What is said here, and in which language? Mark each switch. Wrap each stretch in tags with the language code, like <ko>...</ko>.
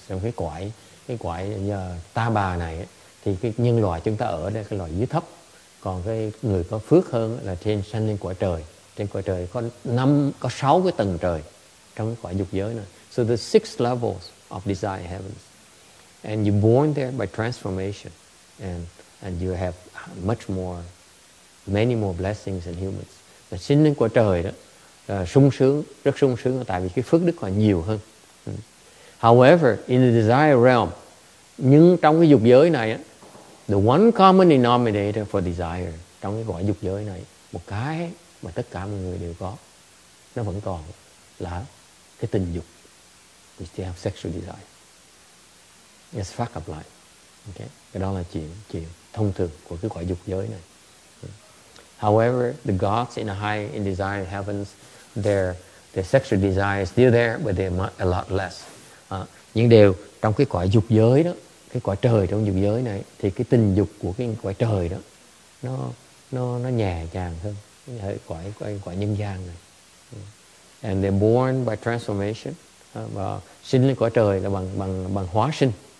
<vi>So cái quả ta bà này thì cái nhân loại chúng ta ở đây là cái loại dưới thấp. Còn cái người có phước hơn là trên sanh lên quả trời. Trên quả trời có 6 cái tầng trời trong cái quả dục giới này.</vi> <en>So the 6 levels of desire heavens, and you're born there by transformation, and you have much more, many more blessings than humans.</en> <vi>Là sinh lên của trời đó, sung sướng, rất sung sướng, tại vì cái phước đức còn nhiều hơn.</vi> <en>However, in the desire realm,</en> <vi>nhưng trong cái dục giới này,</vi> <en>the one common denominator for desire,</en> <vi>trong cái gọi dục giới này, một cái mà tất cả mọi người đều có, nó vẫn còn là cái tình dục.</vi> <en>We still have sexual desire. It's fucked up life. Okay?</en> <vi>Cái đó là chuyện thông thường của cái quả dục giới này.</vi> <en>However, the gods in a high in desire heavens, their sexual desire is still there, but they're a lot less.</en> <vi>Nhưng đều trong cái quả dục giới đó, cái quả trời trong dục giới này, thì cái tình dục của cái quả trời đó, nó nhẹ nhàng hơn quả nhân gian này.</vi> <en>And they're born by transformation.</en> <vi>Và sinh lên quả trời là bằng hóa sinh.</vi>